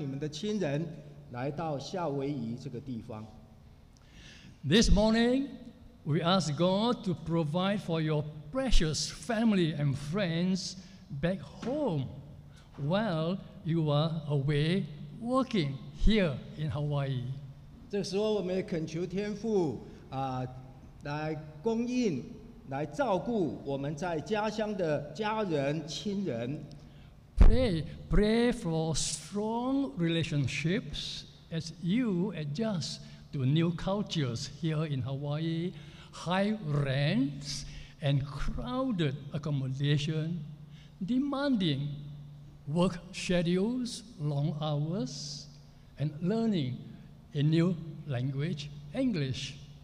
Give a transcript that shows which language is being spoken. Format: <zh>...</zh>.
<zh>就像我们的先人离开家乡来到这个地方，我们当中有很多人今天也是离开遥远的故乡，离开你们的亲人，来到夏威夷这个地方。</zh> <en>This morning, we ask God to provide for your precious family and friends back home while you are away working here in Hawaii.</en> <zh>这时候我们也恳求天父来供应，来照顾我们在家乡的家人、亲人。</zh> <en>Pray for strong relationships as you adjust to new cultures here in Hawaii, high rents and crowded accommodation, demanding work schedules, long hours, and learning a new language, English.</en>